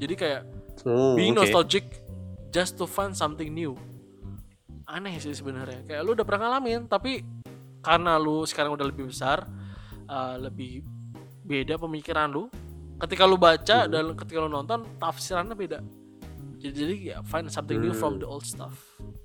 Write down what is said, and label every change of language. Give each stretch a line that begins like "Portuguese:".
Indonesian: Jadi kayak
English: being nostalgic just to find something new.
Indonesian: Aneh sih sebenarnya, kayak lu udah pernah ngalamin, tapi karena lu sekarang udah lebih besar, lebih beda pemikiran lu ketika lu baca dan ketika lu nonton, tafsirannya beda. Jadi ya
English: find something new from the old stuff.